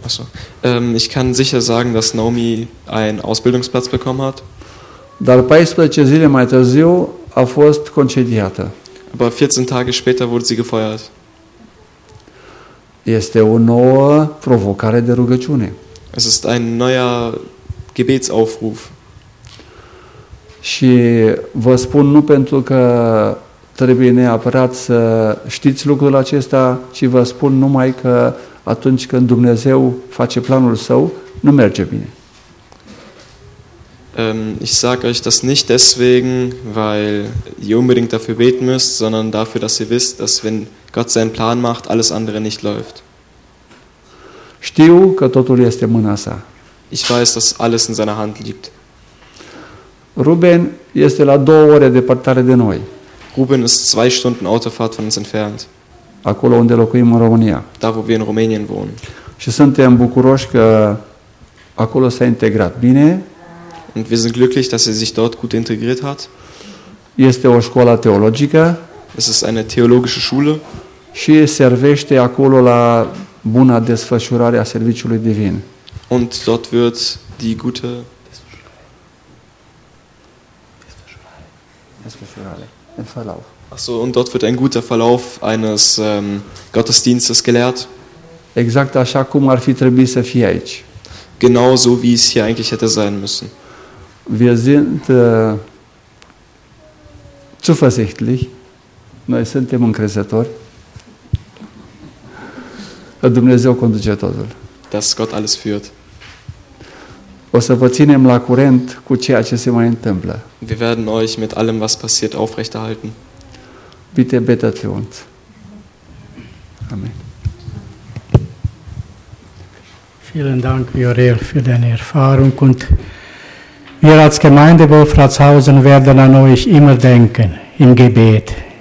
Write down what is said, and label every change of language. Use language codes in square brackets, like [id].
[de] Also, ich kann sicher sagen, dass Naomi einen Ausbildungsplatz bekommen hat. [ro] Dar 14 zile mai târziu a fost concediată. [de] Aber 14 Tage später wurde sie gefeuert. [ro] Este o nouă provocare de rugăciune. [de] Es ist ein neuer Gebetsaufruf. [ro] Și vă spun nu pentru că trebuie neapărat să știți lucrul acesta, ci vă spun numai că atunci când Dumnezeu face planul său, nu merge bine. [de] Ich sage euch das nicht deswegen, weil ihr unbedingt dafür beten müsst, sondern dafür, dass ihr wisst, dass wenn Gott seinen Plan macht, alles andere nicht läuft. [ro] Știu că totul este în mâna sa. [de] Ich weiß, dass alles in seiner Hand liegt. [ro] Ruben este la 2 ore departare de noi. [de] Ruben ist 2 Stunden Autofahrt von uns entfernt. [ro] Acolo unde locuim în România. [de] Da, wo wir in Rumänien wohnen. [ro] Și suntem bucuroși că acolo s-a integrat bine. [de] Und wir sind glücklich, dass er sich dort gut integriert hat. [ro] Este o școală teologică. [de] Es ist eine theologische Schule. [ro] Și servește acolo la buna desfășurare a serviciului divin. [de] Und dort wird die gute [ro] Desfășurare. [de] Ach so, und dort wird ein guter Verlauf eines Gottesdienstes gelehrt. [ro] Exact așa cum ar fi trebuit să fie aici. [de] Genau so wie es hier eigentlich hätte sein müssen. Wir sind zuversichtlich. [ro] Noi suntem încrezători. Că Dumnezeu conduce totul. [de] Dass Gott alles führt. [ro] O să vă ținem la curent cu ceea ce se mai întâmplă. [de] Wir werden euch mit allem, was passiert, aufrechterhalten. Bitte betet für uns. Amen. Vielen Dank, Viorel, für deine Erfahrung und wir als Gemeinde Wolfratshausen werden an euch immer denken, im Gebet.